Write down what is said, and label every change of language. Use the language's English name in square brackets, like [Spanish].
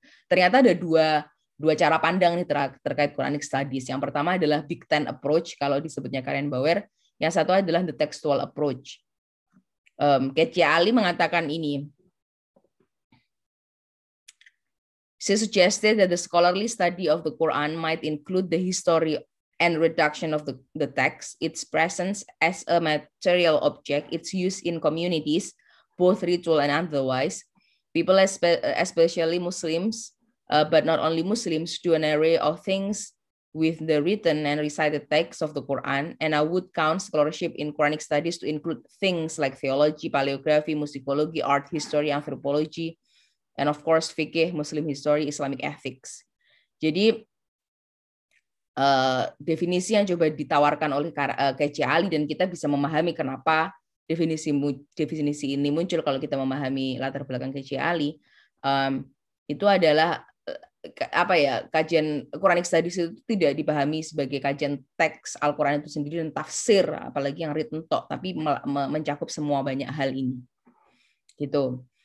[Indonesian] Ternyata ada dua cara pandang nih terkait Qur'anic studies. Yang pertama adalah Big Ten approach kalau disebutnya Karen Bauer, yang satu adalah [English] the textual approach. [Indonesian] Kecia Ali mengatakan ini. [English] She suggested that the scholarly study of the Quran might include the history and reduction of the text, its presence as a material object, its use in communities, both ritual and otherwise. People, especially Muslims, but not only Muslims, do an array of things with the written and recited texts of the Quran, and I would count scholarship in Quranic studies to include things like theology, paleography, musicology, art history, anthropology, and of course, fiqh, Muslim history, Islamic ethics. [Indonesian] Jadi, definisi yang coba ditawarkan oleh Keci Ali, dan kita bisa memahami kenapa definisi ini muncul kalau kita memahami latar belakang Keci Ali, itu adalah kajian Quranic studies itu tidak dipahami sebagai kajian teks Al-Quran itu sendiri dan tafsir, apalagi yang written talk, tapi mencakup semua banyak hal ini. Gitu.